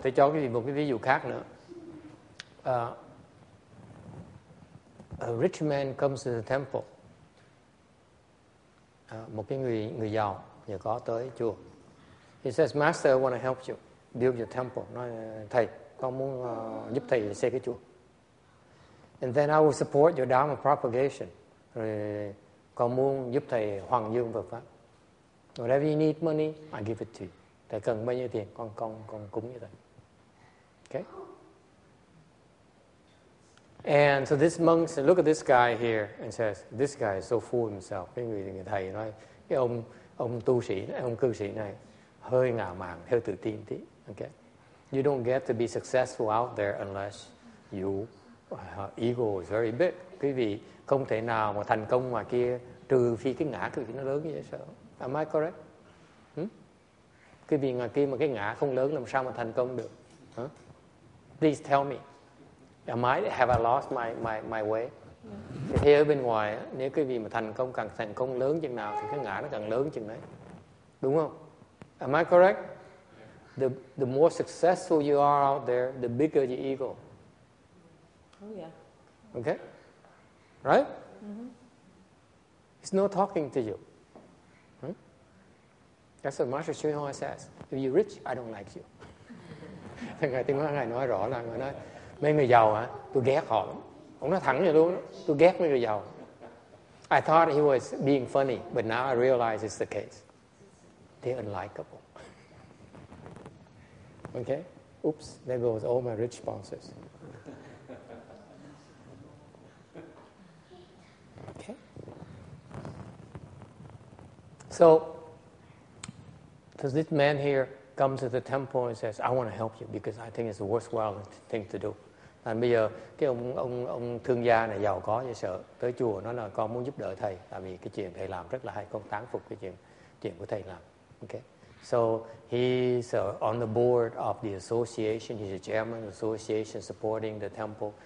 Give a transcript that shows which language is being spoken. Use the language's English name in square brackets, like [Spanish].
[Vietnamese] Thầy cho quý vị một cái ví dụ khác nữa. [English] A rich man comes to the temple. [Vietnamese] Một cái người giàu, nhà có tới chùa. [English] He says, Master, I want to help you build your temple. [Vietnamese] Nói, thầy, con muốn giúp thầy xây cái chùa. [English] And then I will support your Dharma propagation. [Vietnamese] Rồi con muốn giúp thầy hoằng dương Phật pháp. [English] Whatever you need money, I give it to you. [Vietnamese] Thầy cần bao nhiêu tiền, con cúng như thầy. Okay? [English] And so this monk said, look at this guy here, and says, this guy is so full of himself. [Vietnamese] Cái người này thầy nói, cái ông tu sĩ, ông cư sĩ này, hơi ngạo mạn, hơi tự tin tí. Okay? [English] You don't get to be successful out there unless your ego is very big. [Vietnamese] Quý vị không thể nào mà thành công ngoài kia trừ phi cái ngã quý vị nó lớn như vậy sao? [English] Am I correct? [Vietnamese] Quý vị ngoài kia mà cái ngã không lớn làm sao mà thành công được? [English] Please tell me. Have I lost my way? [Vietnamese] Yeah. Thì ở bên ngoài, nếu quý vị mà thành công, càng thành công lớn chừng nào thì cái ngã nó càng lớn chừng đấy. Đúng không? [English] Am I correct? The more successful you are out there, the bigger your ego. Oh yeah. Okay? Right? Mm-hmm. It's not talking to you. That's what Master Xuyên Hoa says. If you're rich, I don't like you. [Vietnamese] Thì ngài tiếng ngài nói rõ là ngài nói mấy người giàu hả, tôi ghét họ lắm. Ông nói thẳng vậy luôn, tôi ghét mấy người giàu. [English] I thought he was being funny, but now I realize it's the case. They're unlikable. Okay? Oops, there goes all my rich sponsors. Okay? So, this man here comes to the temple and says, I want to help you because I think it's a worthwhile thing to do. [Vietnamese] And bây giờ, cái ông thương gia này giàu có và sợ tới chùa, nó là con muốn giúp đỡ thầy. Tại vì cái chuyện thầy làm rất là hay, con tán phục cái chuyện của thầy làm. Okay. [English] So he's on the board of the association, he's a chairman of the association supporting the temple.